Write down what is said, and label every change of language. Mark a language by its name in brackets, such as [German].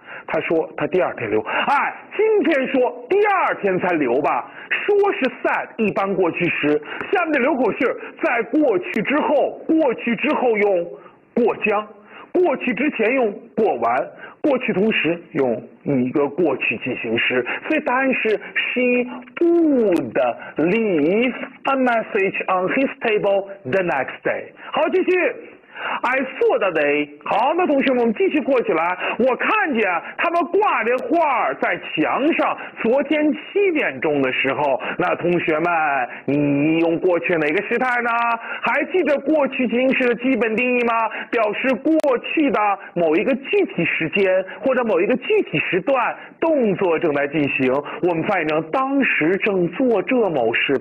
[Chinese] 他说他第二天留。哎，今天说第二天才留吧，说是 said 一般过去时，下面的留口信儿在过去之后，过去之后用过将，过去之前用过完，过去同时用一个过去进行时，所以答案是 [English] She would leave a message on his table the next day。 [Chinese] 好，继续 [English] I saw that they。 [Chinese] 好，那同学们，我们继续过去来。我看见他们挂着画在墙上，昨天七点钟的时候。那同学们，你用过去哪个时态呢？还记得过去进行时的基本定义吗？表示过去的某一个具体时间或者某一个具体时段动作正在进行，我们翻译成当时正做这某事。